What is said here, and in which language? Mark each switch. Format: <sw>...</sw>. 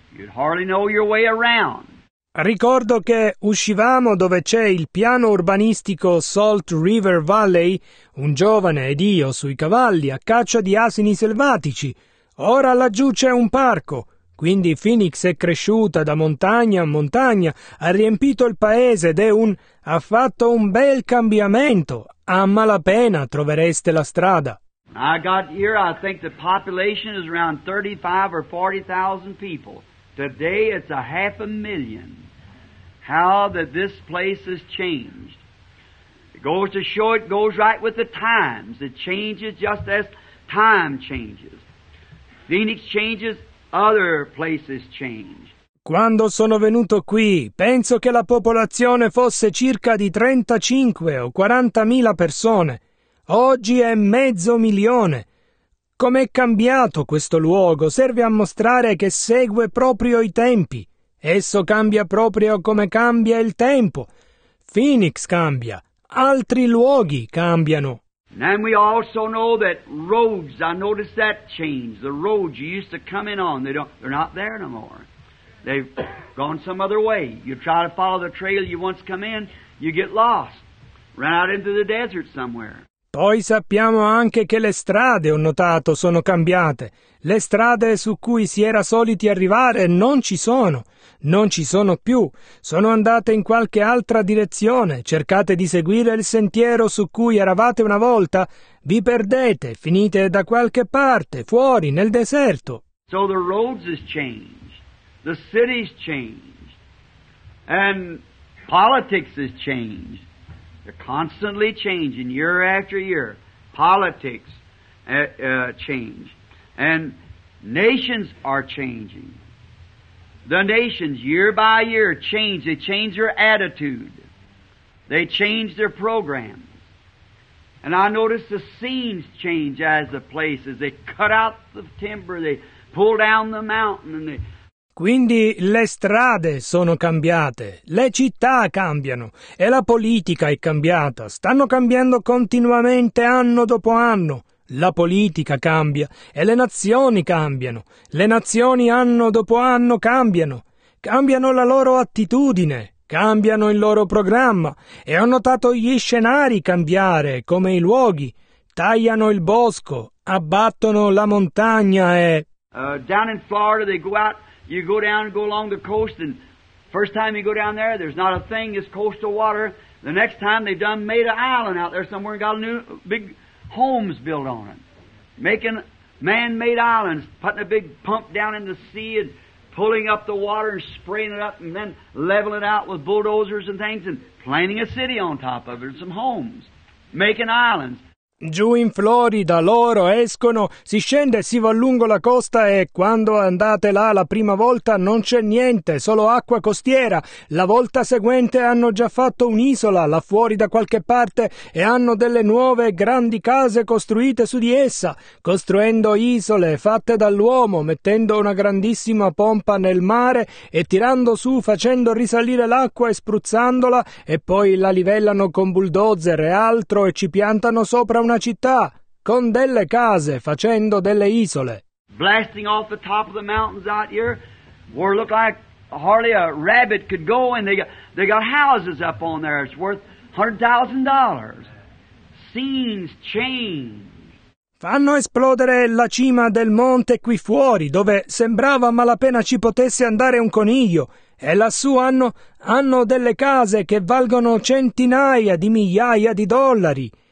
<en>You'd hardly know your way around.</en> <it>Ricordo che uscivamo dove c'è il piano urbanistico Salt River Valley, un giovane ed io sui cavalli a caccia di asini selvatici. Ora laggiù c'è un parco. Quindi Phoenix è cresciuta da montagna a montagna, ha riempito il paese ed ha fatto un bel cambiamento. A malapena trovereste la strada.</it> <en>I got here, I think the population is around 35 or 40,000 people. Today it's a 500,000. How that this place has changed. It goes to show it goes right with the times. It changes just as time changes. Phoenix changes, other places change.</en> <it>Quando sono venuto qui, penso che la popolazione fosse circa di 35 o 40 mila persone. Oggi è 500,000. Com'è cambiato questo luogo? Serve a mostrare che segue proprio i tempi. Esso cambia proprio come cambia il tempo. Phoenix cambia. Altri luoghi cambiano.</it> <en>And we also know that roads, I noticed that change. The roads you used to come in on, they're not there no more. They've gone some other way. You try to follow the trail you once come in, you get lost. Run out into the desert somewhere.</en> <it>Poi sappiamo anche che le strade, ho notato, sono cambiate. Le strade su cui si era soliti arrivare non ci sono. Non ci sono più. Sono andate in qualche altra direzione. Cercate di seguire il sentiero su cui eravate una volta. Vi perdete, finite da qualche parte, fuori, nel deserto.</it> <en>So the roads has changed. The city's changed. And politics has changed. They're constantly changing year after year. Politics change. And nations are changing. The nations, year by year, change. They change their attitude. They change their programs. And I notice the scenes change as the places. They cut out the timber. They pull down the mountain. And they...</en> <it>Quindi le strade sono cambiate, le città cambiano e la politica è cambiata. Stanno cambiando continuamente anno dopo anno. La politica cambia e le nazioni cambiano. Le nazioni anno dopo anno cambiano. Cambiano la loro attitudine, cambiano il loro programma e ho notato gli scenari cambiare, come i luoghi. Tagliano il bosco, abbattono la montagna e...</it> <en>Down in Florida they go out. You go down and go along the coast, and first time you go down there, there's not a thing, it's coastal water. The next time, they've done made an island out there somewhere and got a new big homes built on it. Making man-made islands, putting a big pump down in the sea and pulling up the water and spraying it up and then leveling it out with bulldozers and things and planting a city on top of it and some homes, making islands.</en> <it>Giù in Florida loro escono, si scende, si va lungo la costa e quando andate là la prima volta non c'è niente, solo acqua costiera. La volta seguente hanno già fatto un'isola là fuori da qualche parte e hanno delle nuove grandi case costruite su di essa, costruendo isole fatte dall'uomo, mettendo una grandissima pompa nel mare e tirando su, facendo risalire l'acqua e spruzzandola e poi la livellano con bulldozer e altro e ci piantano sopra una città con delle case facendo delle isole.</it> <en>Blasting off the top of the mountains out here where it looked like hardly a rabbit could go, and they got houses up on there. It's worth $100,000. Scenes change.</en> <it>Fanno esplodere la cima del monte qui fuori, dove sembrava malapena ci potesse andare un coniglio. E lassù hanno delle case che valgono centinaia di migliaia di dollari.</it>